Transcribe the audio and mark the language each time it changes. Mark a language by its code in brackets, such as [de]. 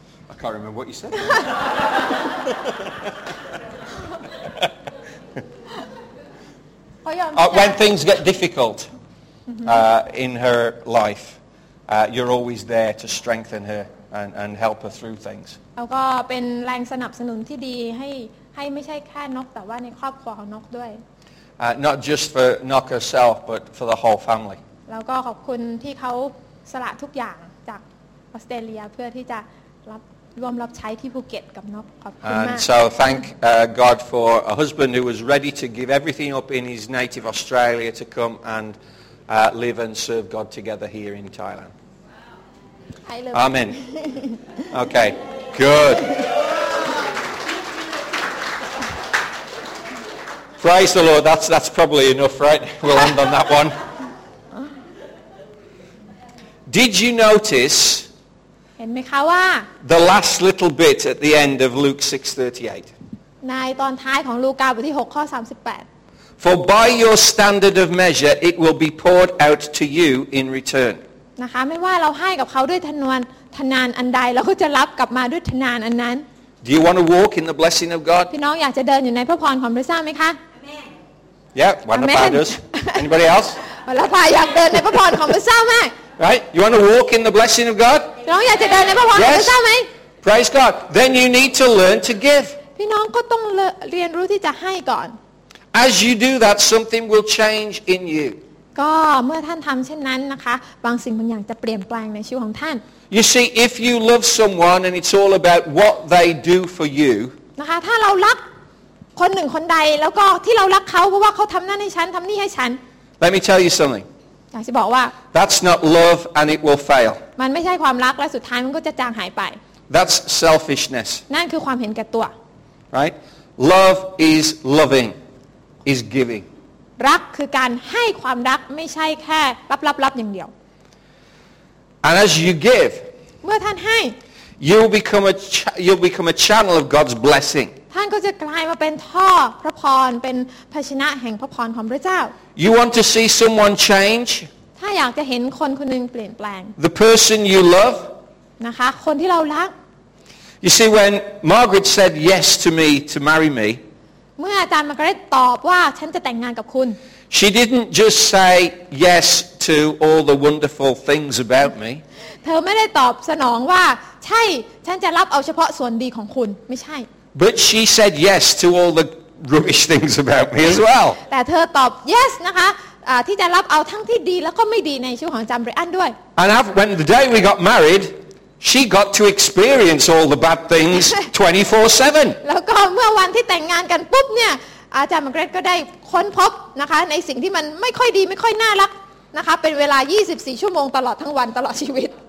[en] I can't remember what you said. when things get difficult in her life, you're always there to strengthen her and help her through things. [th] แล้วก็เป็นแรงสนับสนุนที่ดีให้ไม่ใช่แค่นกแต่ว่าในครอบครัวของนกด้วย [en] Not just for Nok herself, but for the whole family. [th] แล้วก็ขอบคุณที่เขาสละทุกอย่างจากออสเตรเลียเพื่อที่จะรับร่วมรับใช้ที่ภูเก็ตกับนกขอบคุณมาก [en] And so thank God for a husband who was ready to give everything up in his native Australia to come and live and serve God together here in Thailand. Wow. Amen. Okay. Good. Praise the Lord. That's probably enough, right? We'll end on that one. Did you notice [th] เห็นไหมคะว่า [en] The last little bit at the end of Luke 6:38 [th] ในตอนท้ายของลูกาบทที่6ข้อ38 [en] For by your standard of measure it will be poured out to you in return [th] นะคะไม่ว่าเราให้กับเขาด้วยทนวนทนานอันใดเราก็จะรับกลับมาด้วยทนานอันนั้น [en] Do you want to walk in the blessing of God [th] พี่น้องอยากจะเดินอยู่ในพระพรของพระเจ้ามั้ยคะ [en] Amen Yeah what about us Anybody else [th] เราพายอยากเดินในพระพรของพระเจ้ามั้ย [en] Right you want to walk in the blessing of God [th] น้องอยากจะเดินในพระพรของพระเจ้าไหม [en] Praise God Then you need to learn to give [th] พี่น้องก็ต้องเรียนรู้ที่จะให้ก่อน [en] As you do that something will change in you [th] ก็เมื่อท่านทำเช่นนั้นนะคะบางสิ่งบางอย่างจะเปลี่ยนแปลงในชีวิตของท่าน [en] You see if you love someone and it's all about what they do for you [th] นะคะถ้าเรารักคนหนึ่งคนใดแล้วก็ที่เรารักเขาเพราะว่าเขาทำนั่นให้ฉันทำนี่ให้ฉัน [en] Let me tell you something [th] อยากจะบอกว่า [en] That's not love and it will fail [th] มันไม่ใช่ความรักและสุดท้ายมันก็จะจางหายไป [en] That's selfishness [th] นั่นคือความเห็นแก่ตัว [en] Right love is loving is giving [th] รักคือการให้ความรักไม่ใช่แค่รับรับรับอย่างเดียว [en] And as you give [th] เมื่อท่านให้ [en] you'll become a channel of God's blessing [th] ท่านก็จะกลายมาเป็นท่อพระพรเป็นภาชนะแห่งพระพรของพระเจ้า [en] You want to see someone change [th] ถ้าอยากจะเห็นคนคนนึงเปลี่ยนแปลง [en] The person you love [th] นะคะคนที่เรารัก [en] You see when Margaret said yes to me to marry me [th] เมื่ออาจารย์มาร์กาเร็ตตอบว่าฉันจะแต่งงานกับคุณ [en] She didn't just say yes to all the wonderful things about me [th] เธอไม่ได้ตอบสนองว่าใช่ฉันจะรับเอาเฉพาะส่วนดีของคุณไม่ใช่ [en] But she said yes to all the rubbish things about me as well. [th] แต่เธอตอบ yes นะคะที่จะรับเอาทั้งที่ดีแล้วก็ไม่ดีในชีวิตของจัมเบรอันด้วย [en] And after, when the day we got married, she got to experience all the bad things 24/7. [th] แล้วก็เมื่อวันที่แต่งงานกันปุ๊บเนี่ยจัมเบรก็ได้ค้นพบนะคะในสิ่งที่มันไม่ค่อยดีไม่ค่อยน่ารักนะคะเป็นเวลา24ชั่วโมงตลอดทั้งวันตลอดชีวิต